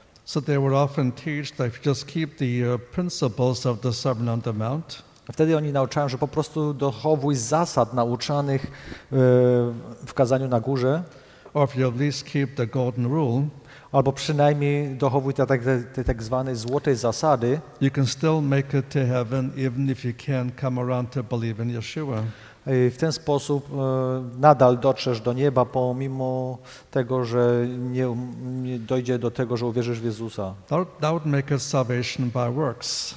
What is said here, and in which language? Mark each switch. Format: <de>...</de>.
<en>So they would often teach that if you just keep the principles of the Sermon on the Mount.</en> <pl>Wtedy oni nauczają, że po prostu dochowuj zasad nauczanych w kazaniu na górze.</pl> <en>Or if you at least keep the golden rule,</en> <pl>albo przynajmniej dochowuj te tak zwane złote zasady.</pl> <en>You can still make it to heaven even if you can't come around to believe in Yeshua.</en> <pl>I w ten sposób nadal dotrzesz do nieba, pomimo tego, że nie dojdzie do tego, że uwierzysz w Jezusa.</pl> <en>That would make it salvation by works.</en>